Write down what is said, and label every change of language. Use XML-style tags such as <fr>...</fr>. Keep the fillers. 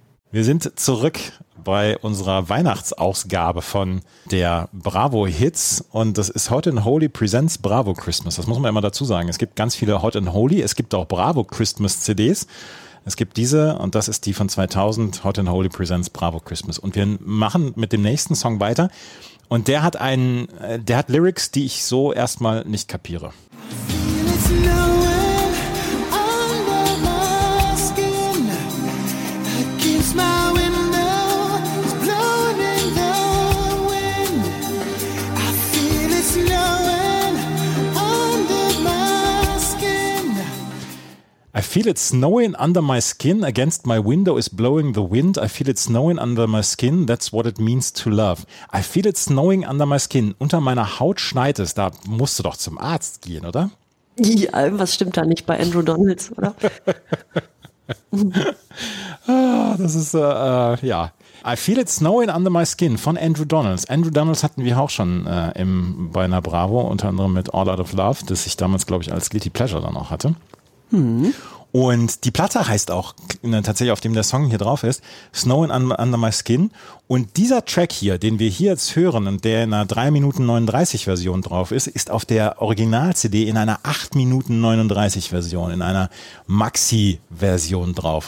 <de>Wir sind zurück bei unserer Weihnachtsausgabe von der Bravo Hits und das ist Hot and Holy Presents Bravo Christmas. Das muss man immer dazu sagen. Es gibt ganz viele Hot and Holy, es gibt auch Bravo Christmas CDs. Es gibt diese und das ist die von 2000 Hot and Holy Presents Bravo Christmas und wir machen mit dem nächsten Song weiter und der hat einen äh, der hat Lyrics, die ich so erstmal nicht kapiere.</de> <en>It's snowing under my skin. Against my window, it's blowing in the wind. I feel it snowing under my skin. I feel it snowing under my skin, against my window is blowing the wind. I feel it snowing under my skin, that's what it means to love. I feel it snowing under my skin,</en> <de>unter meiner Haut schneit es. Da musst du doch zum Arzt gehen, oder? Ja, irgendwas stimmt da nicht bei Andrew Donalds, oder? Ah, das ist, äh, äh, ja. I feel it snowing under my skin von Andrew Donalds. Andrew Donalds hatten wir auch schon äh, im, bei einer Bravo, unter anderem mit All Out of Love, das ich damals, glaube ich, als Guilty Pleasure dann auch hatte. Und die Platte heißt auch ne, tatsächlich, auf dem der Song hier drauf ist, Snowing Un- Under My Skin. Und dieser Track hier, den wir hier jetzt hören und der in einer 3 Minuten 39 Version drauf ist, ist auf der Original-CD in einer 8 Minuten 39 Version, in einer Maxi-Version drauf.</de>